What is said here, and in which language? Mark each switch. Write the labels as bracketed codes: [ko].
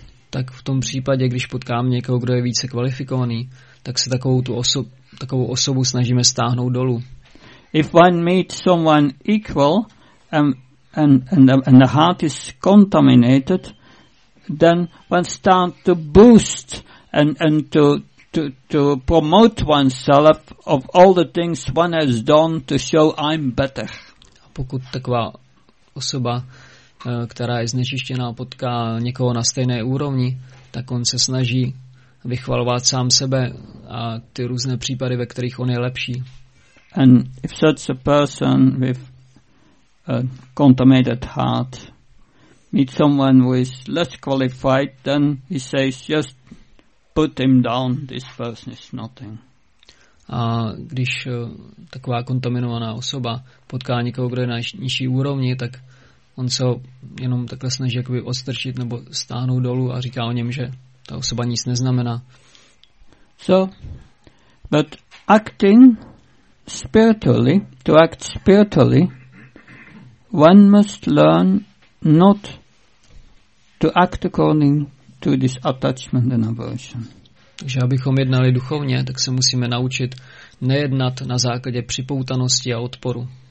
[cs] Tak v tom případě, když potkám někoho, kdo je více kvalifikovaný, tak se takovou osobu snažíme stáhnout dolů. [en] If one meets someone equal and the heart is contaminated, then one start to boost and to promote oneself of all the things one has done to show I'm better. [cs] A pokud taková osoba, která je znečištěná, potká někoho na stejné úrovni, tak on se snaží vychvalovat sám sebe a ty různé případy, ve kterých on je lepší. [en] And if such a person with a contaminated heart meets someone who is less qualified, then he says, just put him down, this person is nothing. [cs] A když taková kontaminovaná osoba potká někoho, kdo je na nižší úrovni, tak on se ho jenom takhle snaží jakoby odstrčit nebo stáhnout dolů a říká o něm, že ta osoba nic neznamená. [en] So, but acting spiritually, to act spiritually, one must learn not to act according to this attachment and aversion. [cs] Takže abychom jednali duchovně, tak se musíme naučit nejednat na základě připoutanosti a odporu.